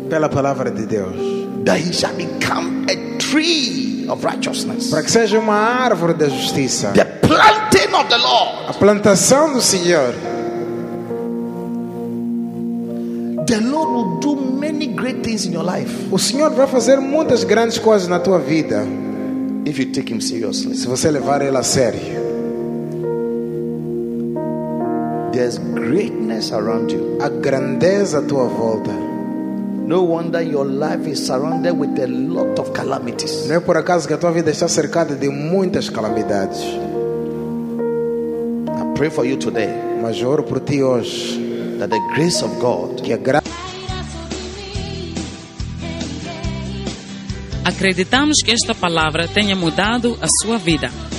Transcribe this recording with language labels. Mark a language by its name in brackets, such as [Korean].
[Portuguese] Pela palavra de Deus. [English] That he shall become a tree of righteousness. [Portuguese] Para que seja uma árvore da justiça. [English] The planting of the Lord. [Portuguese] A plantação do Senhor. [English] The Lord will do many great things in your life. [Portuguese] O Senhor vai fazer muitas grandes coisas na tua vida. [English] If you take him seriously. [Portuguese] Se você levar ele a sério. [English] There's greatness around you. [Portuguese] A grandeza à tua volta. [English] No wonder your life is surrounded with a lot of calamities. [Portuguese] Não é por acaso que a tua vida está cercada de muitas calamidades. [English] I pray for you today. [Portuguese] Mas oro por ti hoje. [English] That the grace of God. [Portuguese] Que a graça. Acreditamos que esta palavra tenha mudado a sua vida.